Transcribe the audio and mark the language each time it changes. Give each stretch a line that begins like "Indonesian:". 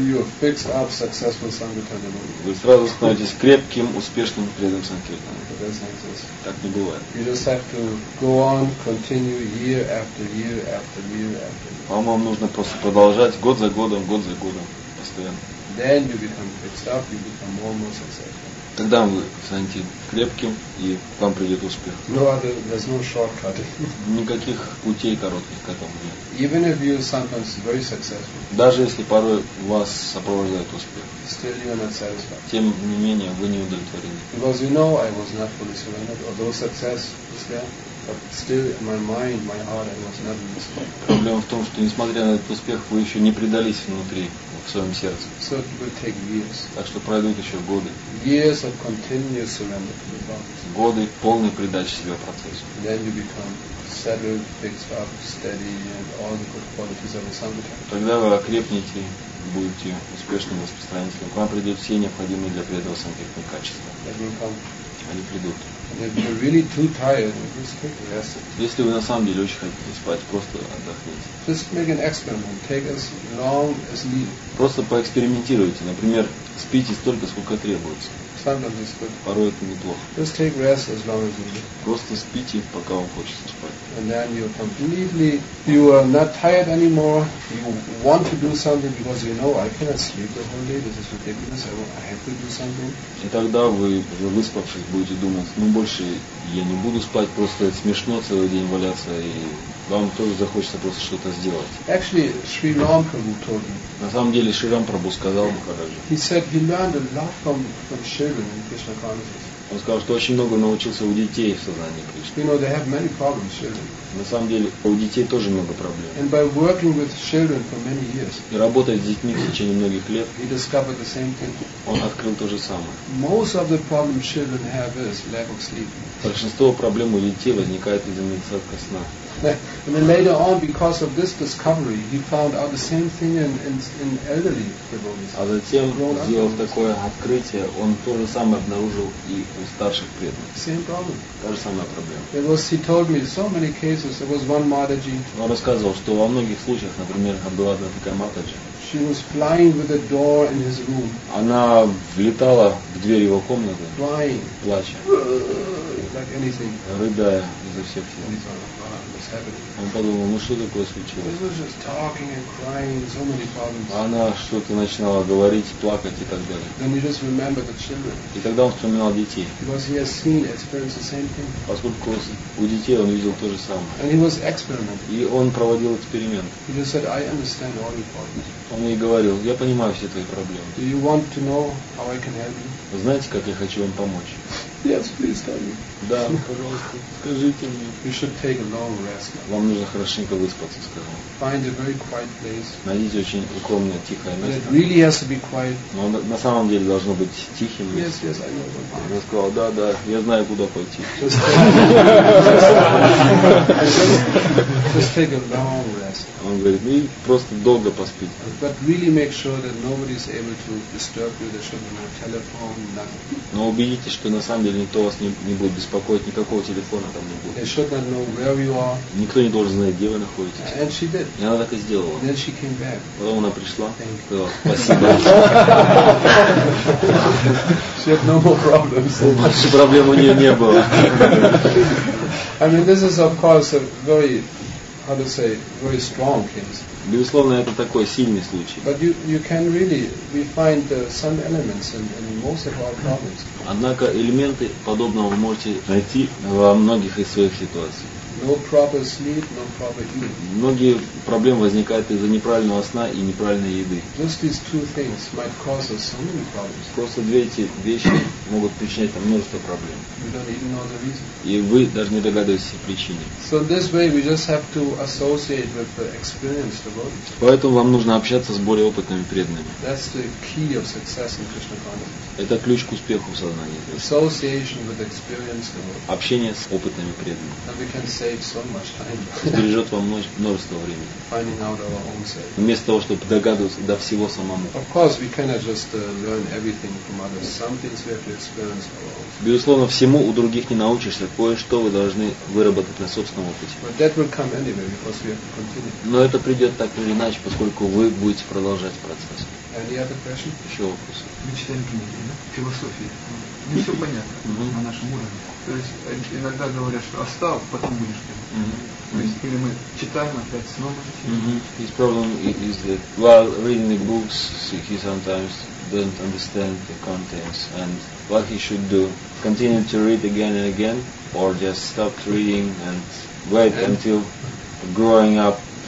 English: You are fixed up, successful sankirtana.
Russian: Вы сразу становитесь крепким, успешным преданным санкиртаном. Так не бывает.
English: You just have to go on, continue year after year after year after year.
Russian: Вам нужно просто продолжать год за годом, год за годом, постоянно.
English: Then you become fixed up, you become more and more successful.
Russian: Тогда вы станете крепким, и к вам придет успех.
English: There's no shortcut.
Russian: Никаких путей коротких к этому нет.
English: Even if you sometimes very successful.
Russian: Даже если порой вас сопровождает успех.
English: Still you're not satisfied.
Russian: Тем не менее, вы не удовлетворены.
English: Because you know I was not fully surrendered, although success was there. But still my mind, my heart, I was not fully surrendered.
Russian: Проблема в том, что несмотря на этот успех, вы еще не предались внутри. В своем сердце.
English: So it will take years.
Russian: Так что пройдут еще годы.
English: Years of continuous surrender to the body.
Russian: Годы полной придачи себя процессу.
English: Then you become settled, fixed up, steady, and all the good qualities of a sankirtana.
Russian: Тогда вы окрепнете, будете успешным распространителем. К вам придут все необходимые для преданного санкиртаны качества.
English: That will come.
Russian: Они придут.
English: If you're really too tired, just take a rest.
Russian: Если вы на самом деле очень хотите спать, просто отдохните.
English: Just make an experiment. Take as long as needed.
Russian: Просто поэкспериментируйте. Например, спите столько, сколько требуется.
English: Sometimes it's good.
Russian: Порой это неплохо.
English: Just take rest as long as needed.
Russian: Просто спите, пока вам хочется спать.
English: And then you're completely, you are not tired anymore. You want to do something because you know I cannot sleep the whole day. This is ridiculous. I have to do something.
Russian: И тогда вы уже выспавшись будете думать: ну больше я не буду спать, просто это смешно целый день валяться, и вам тоже захочется просто что-то сделать.
English: Actually, Sri Ram Prabhu told me.
Russian: На самом деле Шри Рам Прабху сказал Махараджу.
English: He said he learned a lot from children in Krishna consciousness.
Russian: Он сказал, что очень много научился у детей в сознании Кришны.
English: You know, they have many problems, children.
Russian: На самом деле у детей тоже много проблем.
English: And by working with children for many years,
Russian: и работая с детьми в течение многих лет,
English: he discovered the same thing.
Russian: Он открыл то же самое.
English: Most of the problems children have is lack of sleep.
Russian: Большинство проблем у детей возникает из-за недостатка сна.
English: And then later on, because of this discovery, he found out the same thing in elderly devotees.
Russian: А затем, сделав такое открытие, он то же самое обнаружил и у старших преданных.
English: Same problem.
Russian: Та же самая проблема.
English: It was, he told me, so many cases. There was one Mataji.
Russian: Он рассказывал, что во многих случаях, например, была одна такая Матаджи.
English: She was flying with a door in his room.
Russian: Она влетала в дверь его комнаты.
English: Flying.
Russian: Плача.
English: Like anything.
Russian: Рыдая изо всех сил. Он подумал, ну что такое случилось?
English: She was just talking and crying, so many problems.
Russian: Она что-то начинала говорить, плакать и так далее.
English: Then he just remembered the children.
Russian: И тогда он вспоминал детей.
English: Because he has seen, experienced the same thing.
Russian: Поскольку у детей он видел то же самое.
English: And he was experimenting.
Russian: И он проводил эксперимент.
English: He just said, I understand all your problems.
Russian: Он ей говорил, я понимаю все твои проблемы.
English: Do you want to know how I can help you?
Russian: Знаете, как я хочу вам помочь?
English: Yes, please tell me.
Russian: Да, пожалуйста, скажите мне.
English: You should take a long rest.
Russian: Вам нужно хорошенько выспаться, сказал.
English: Find a very quiet place.
Russian: Найдите очень укромное, тихое место.
English: It really has to be quiet.
Russian: Но на самом деле должно быть тихим.
English: Yes, yes, I know.
Russian: Я сказал, да, да, я знаю, куда пойти.
English: Just take a long rest.
Russian: Он говорит, ну и просто долго поспите.
English: But really make sure that nobody is able to disturb you. There should be no telephone, nothing.
Russian: Но убедитесь, что на самом деле никто вас не будет беспокоить, никакого телефона там не будет.
English: They should not know where you are.
Russian: Никто не должен знать, где вы находитесь.
English: And she did.
Russian: И она так и сделала.
English: Then she came back.
Russian: Потом она пришла.
English: Thank you.
Russian: Сказала, спасибо.
English: She had no more problems.
Russian: Больше проблем у нее не было.
English: I mean, this is of course a very, how to say, very strong case.
Russian: Безусловно, это такой сильный случай.
English: But you can really, we find some elements in most of our problems.
Russian: Однако элементы подобного вы можете найти во многих из своих ситуаций.
English: No proper sleep, no proper eating.
Russian: Многие проблемы возникают из-за неправильного сна и неправильной еды.
English: Just these two things might cause us so many problems.
Russian: Просто две эти вещи могут причинять нам множество проблем.
English: You don't even know the reason.
Russian: И вы даже не догадываетесь о причине.
English: So this way we just have to associate with the experienced devotees.
Russian: Поэтому вам нужно общаться с более опытными преданными.
English: That's the key of success in Krishna consciousness.
Russian: Это ключ к успеху в сознании.
English: Association with experienced devotees.
Russian: Общение с опытными преданными.
English: And we can save so much time.
Russian: Сбережет вам множество времени.
English: Finding out our own self.
Russian: Вместо того, чтобы догадываться до всего самому.
English: Of course, we cannot just learn everything from others. Some things we have to experience ourselves.
Russian: Безусловно, всему у других не научишься. Кое-что вы должны выработать на собственном опыте.
English: But that will come anyway, because we have to continue.
Russian: Но это придет так или иначе, поскольку вы будете продолжать процесс.
English: Any other question?
Russian: Еще вопрос. Мы читаем книги, да? Философии. Не все понятно на нашем уровне. То есть иногда говорят, что остал, потом будешь делать. То есть или мы читаем опять снова читаем.
English: His problem is that while reading the books, he sometimes doesn't understand the contents and what he should do. Continue to read again and again, or just stop reading and wait until growing up.